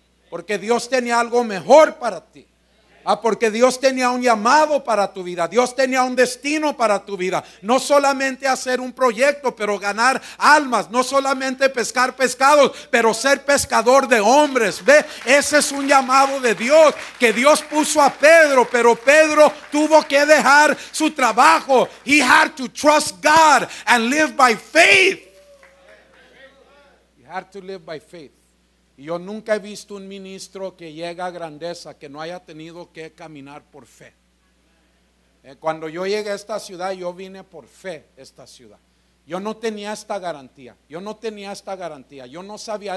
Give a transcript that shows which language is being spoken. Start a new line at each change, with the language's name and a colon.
Spanish: Porque Dios tenía algo mejor para ti. Porque Dios tenía un llamado para tu vida. Dios tenía un destino para tu vida. No solamente hacer un proyecto, pero ganar almas. No solamente pescar pescados, pero ser pescador de hombres. Ve, ese es un llamado de Dios, que Dios puso a Pedro. Pero Pedro tuvo que dejar su trabajo.
English: He had to trust God and live by faith. He had to live by faith.
Spanish: Yo nunca he visto un ministro que llega a grandeza que no haya tenido que caminar por fe. Cuando yo llegué a esta ciudad, yo vine por fe a esta ciudad. Yo no tenía esta garantía. Yo no tenía esta garantía. Yo no sabía.